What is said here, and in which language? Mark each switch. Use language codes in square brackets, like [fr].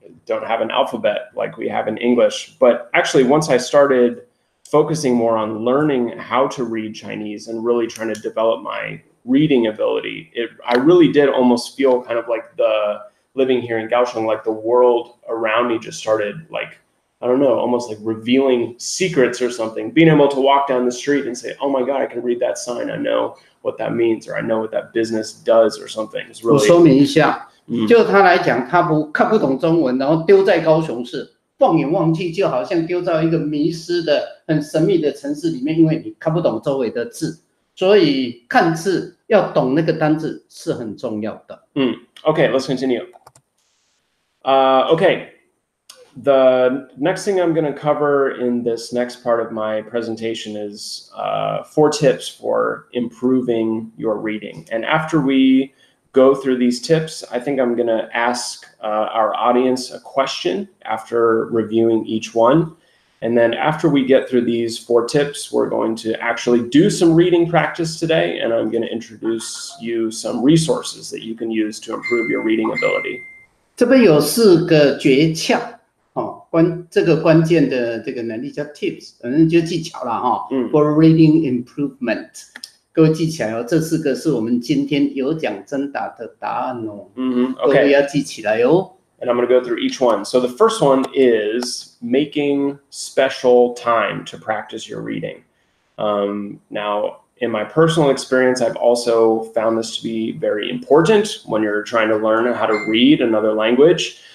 [en] Don't have an alphabet like we have in English. But actually, once I started focusing more on learning how to read Chinese and really trying to develop my reading ability, I really did almost feel kind of like the living here in Kaohsiung, like the world around me just started, like, I don't know, almost like revealing secrets or something. Being able to walk down the street and say, oh my God, I can read that sign, I know what that means, or I know what that business does or something. It's really [zh] 我说明一下，就他来讲，他不看不懂中文，然后丢在高雄市。放眼望去，就好像丢到一个迷失的、很神秘的城市里面，因为你看不懂周围的字，所以看字要懂那个单字是很重要的。 [en] Okay, let's continue. Okay, the next thing I'm going to cover in this next part of my presentation is four tips for improving your reading. And after we go through these tips, I think I'm going to ask our audience a question after reviewing each one. And then after we get through these four tips, we're going to actually do some reading practice today. And I'm going to introduce you some resources that you can use to improve your reading ability. [zh] 这边有四个诀窍，这个关键的这个能力叫 tips， 反正就技巧啦， [en] for reading improvement。 [zh] 各位记起来哦，这四个是我们今天有奖征答的答案哦。 [en] Okay. [zh] 各位要记起来哦。 [en] And I'm going to go through each one. So the first one is making special time to practice your reading. Now, in my personal experience, I've also found this to be very important when you're trying to learn how to read another language.